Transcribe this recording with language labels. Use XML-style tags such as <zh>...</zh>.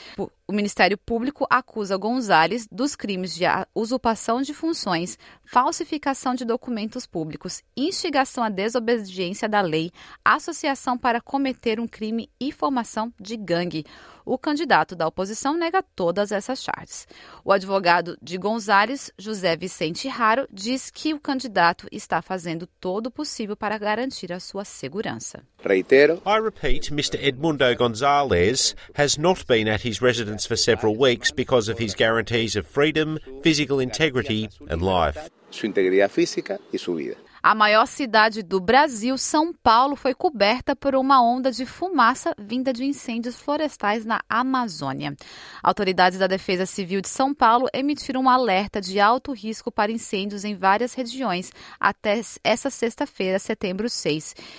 <pt>O Ministério Público acusa Gonzalez dos crimes de usurpação de funções, falsificação de documentos públicos, instigação à desobediência da lei, associação para cometer um crime e formação de gangue. O candidato da oposição nega todas essas charges. O advogado de Gonzalez, José Vicente Haro, diz que o candidato está fazendo todo o possível para garantir a sua segurança. Reitero.</pt> <en>I repeat, Mr. Edmundo Gonzalez has not been at his residence for several weeks because of his guarantees of freedom, physical integrity and life.</en> <pt>Sua integridade física e sua vida. A maior cidade do Brasil, São Paulo, foi coberta por uma onda de fumaça vinda de incêndios florestais na Amazônia. Autoridades da Defesa Civil de São Paulo emitiram um alerta de alto risco para incêndios em várias regiões até essa sexta-feira, setembro 6.</pt>